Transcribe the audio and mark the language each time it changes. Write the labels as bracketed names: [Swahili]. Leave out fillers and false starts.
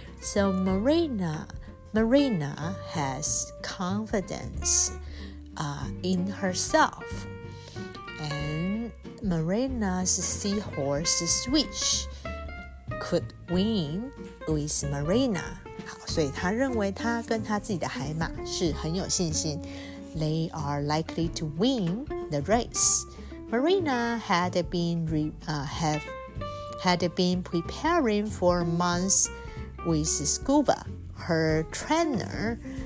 [English] So Marina has confidence in herself. And Marina's seahorse Swish could win with Marina. [Chinese] 好，所以他认为他跟他自己的海马是很有信心。 [English] They are likely to win the race. Marina had been preparing for months with scuba, her trainer.